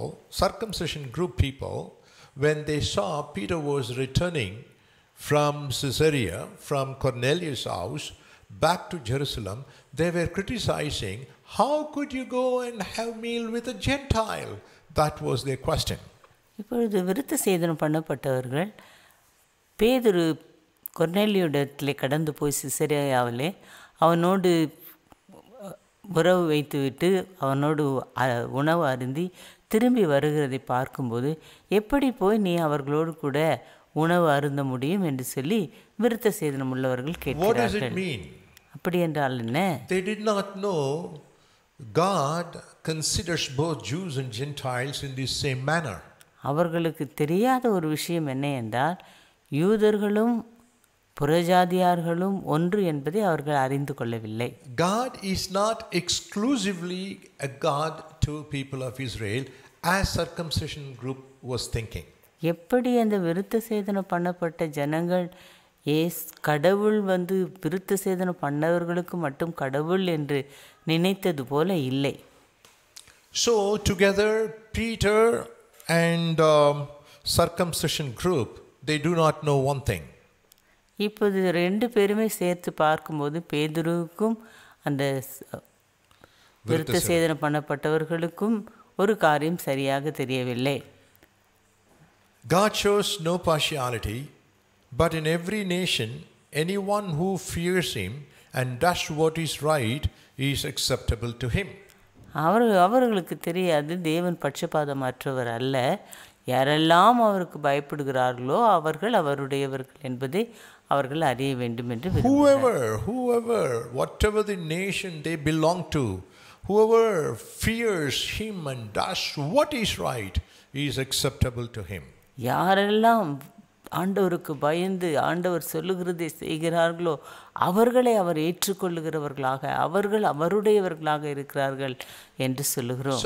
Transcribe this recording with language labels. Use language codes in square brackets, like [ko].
[en] Circumcision group people, when they saw Peter was returning from Caesarea, from Cornelius' house, back to Jerusalem, they were criticizing, How could you go and have meal with a Gentile? That was their question. [ta] இப்பொழுது விருத்த சேதனம் பண்ணப்பட்டவர்கள் பேதுரு கொர்னேலியுடத்திலே கடந்து போய் சிசேரியாவிலே அவனோடு உறவு வைத்துவிட்டு அவனோடு உணவு அருந்தி திரும்பி வருகிறதை பார்க்கும்போது எப்படி போய் நீ அவர்களோடு கூட உணவு அருந்த முடியும் என்று சொல்லி விருத்த சேதனம் உள்ளவர்கள் கேட்கிறார்கள். அப்படி என்றால் என்ன? [en] They did not know God considers both Jews and Gentiles in the same manner. [ta] அவர்களுக்கு தெரியாத ஒரு விஷயம் என்ன என்றால் யூதர்களும் புறஜாதியார்களும் ஒன்று என்பதை அவர்கள் அறிந்து கொள்ளவில்லை. [en] God is not exclusively a God to people of Israel as circumcision group was thinking. [ta] எப்படி அந்த விருத்த சேதனம் பண்ணப்பட்ட ஜனங்கள் கடவுள் வந்து விருத்த சேதனம் பண்ணவர்களுக்கு மட்டும் கடவுள் என்று நினைத்தது போல இல்லை. [en] So together, Peter and circumcision group, they do not know one thing. [ta] இப்போது ரெண்டு பேருமே சேர்த்து பார்க்கும்போது பேதுருவுக்கும் அந்த விருத்த சேதனம் பண்ணப்பட்டவர்களுக்கும் ஒரு காரியம் சரியாக தெரியவில்லை. [en] God shows no partiality, but in every nation, anyone who fears Him and does what is right is acceptable to Him. [ta] அவர்களுக்கு தெரியாது தேவன் பட்சபாதமற்றவர் அல்ல. யாரெல்லாம் அவருக்கு பயப்படுகிறார்களோ அவர்கள் அவருடையவர்கள் என்பதை அவர்கள் அறிய வேண்டும் என்று. [en] Whoever, whatever the nation they belong to, whoever fears Him and does what is right is acceptable to Him. [ta] யாரெல்லாம் ஆண்டவருக்கு பயந்து ஆண்டவர் சொல்லுகிறதை செய்கிறார்களோ அவர்களை அவர் ஏற்றுக்கொள்ளுகிறவர்களாக அவர்கள் அவருடையவர்களாக இருக்கிறார்கள் என்று சொல்லுகிறோம்.